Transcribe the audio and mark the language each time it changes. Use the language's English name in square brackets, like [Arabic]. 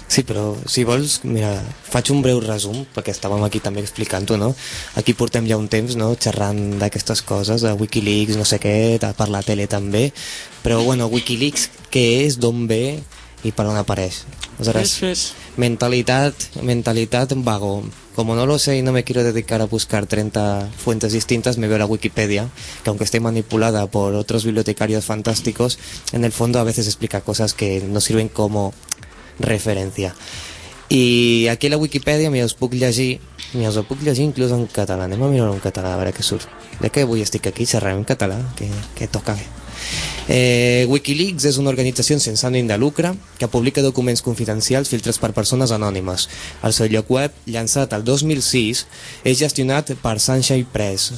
[Catalan] Sí, però si vols, mira, faig un breu resum, perquè estàvem aquí també explicant-ho, no? Aquí portem ja un temps, no?, xerrant d'aquestes coses, a Wikileaks, no sé què, per la tele també, però bueno, Wikileaks, què és, d'on ve i per on apareix? Aleshores, mentalitat vago. [Spanish] Como no lo sé y no me quiero dedicar a buscar 30 fuentes distintas, me veo la Wikipedia, que aunque esté manipulada por otros bibliotecarios fantásticos, en el fondo a veces explica cosas que no sirven como referencia. [Catalan] I aquí a la Wikipedia me'ls puc llegir, me'ls puc llegir inclús en català. Anem a mirar en català a veure què surt. Ja que avui estic aquí, xerrem en català, que toca bé. Wikileaks és una organització sense ànim de lucre que publica documents confidencials filtrats per persones anònimes. El seu lloc web, llançat el 2006, és gestionat per Sunshine Press.